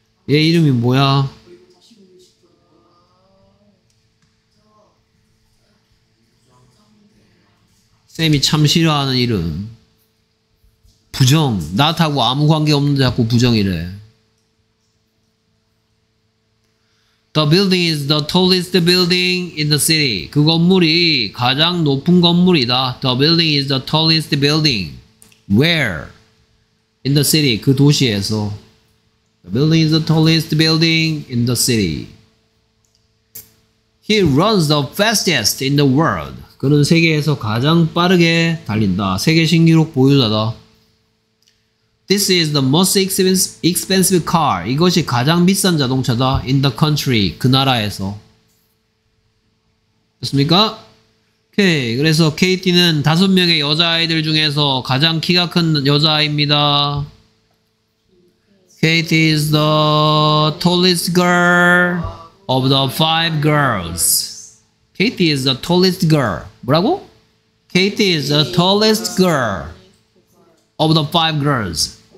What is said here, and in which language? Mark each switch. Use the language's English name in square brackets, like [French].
[Korean] 얘 이름이 뭐야? 쌤이 참 싫어하는 이름. 부정. 나하고 아무 관계 없는데 자꾸 부정이래. [English] The building is the tallest building in the city. [Korean] 그 건물이 가장 높은 건물이다. [English] The building is the tallest building. Where? In the city. [Korean] 그 도시에서. [English] The building is the tallest building in the city. He runs the fastest in the world. [Korean] 그는 세계에서 가장 빠르게 달린다. 세계 신기록 보유자다. [English] This is the most expensive car. [Korean] 이것이 가장 비싼 자동차다. [English] In the country. [Korean] 그 나라에서. 됐습니까? 오케이. 그래서 KT는 다섯 명의 여자아이들 중에서 가장 키가 큰 여자아이입니다. [English] KT is the tallest girl of the five girls. KT is the tallest girl. [Korean] 뭐라고? [English] KT is the tallest girl of the five girls.